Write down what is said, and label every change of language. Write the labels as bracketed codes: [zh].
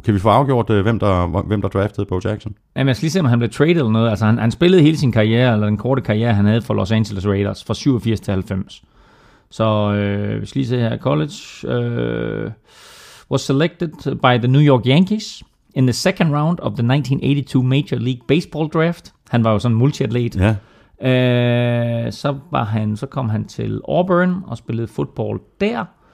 [da] Kan vi få afgjort, hvem der draftede Bo Jackson? Jamen, jeg skal lige se, om han blev traded eller noget. Altså, han spillede hele sin karriere, eller den korte karriere, han havde for Los Angeles Raiders, fra 87 til 90. Så vi skal lige se her. College... [en] was selected by the New York Yankees in the second round of the 1982 Major League Baseball draft. [da] Han var jo sådan en multiatlet. Ja. Så kom han til Auburn og spillede fodbold der.